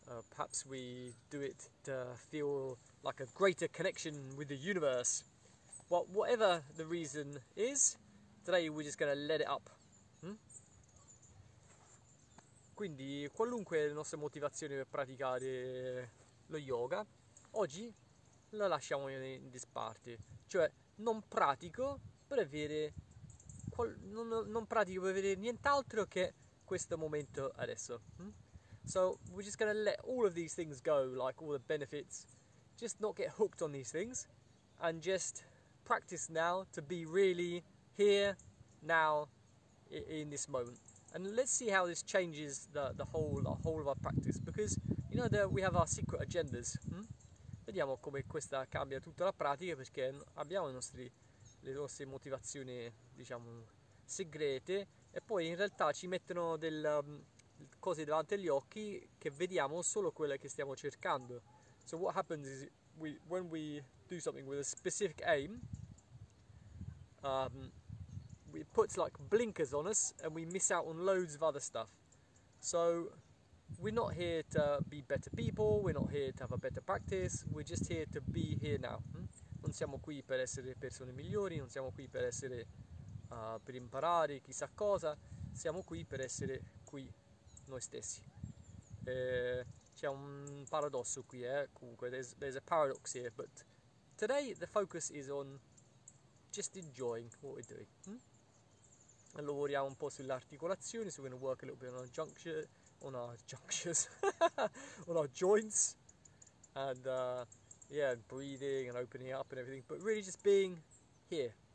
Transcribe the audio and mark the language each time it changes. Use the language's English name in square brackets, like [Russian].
[English] Perhaps we do it to feel like a greater connection with the universe. Well, whatever the reason is, today we're just going to let it up. [Italian] Quindi, qualunque la nostra motivazione per praticare lo yoga, oggi la lasciamo in disparte. Cioè, non pratico per avere nient'altro che questo momento adesso. [English] So we're just going to let all of these things go, like all the benefits, just not get hooked on these things, and just practice now to be really here, now, in this moment. And let's see how this changes the whole of our practice, because, you know, we have our secret agendas. [Italian] Vediamo come questa cambia tutta la pratica, perché abbiamo le nostre motivazioni, diciamo, segrete, e poi in realtà ci mettono del... cose davanti agli occhi che vediamo solo quelle che stiamo cercando. [English] So what happens is when we do something with a specific aim, it puts like blinkers on us and we miss out on loads of other stuff. So we're not here to be better people, we're not here to have a better practice, we're just here to be here now. [Italian] Non siamo qui per essere persone migliori, non siamo qui per essere per imparare chissà cosa, siamo qui per essere qui noi stessi. C'è un paradosso qui, comunque [English] there's a paradox here, but today the focus is on just enjoying what we're doing. [Italian] Lavoriamo un po' sull'articolazione, [English] so we're going to work a little bit on our junctures, on our joints, and breathing and opening up and everything, but really just being here.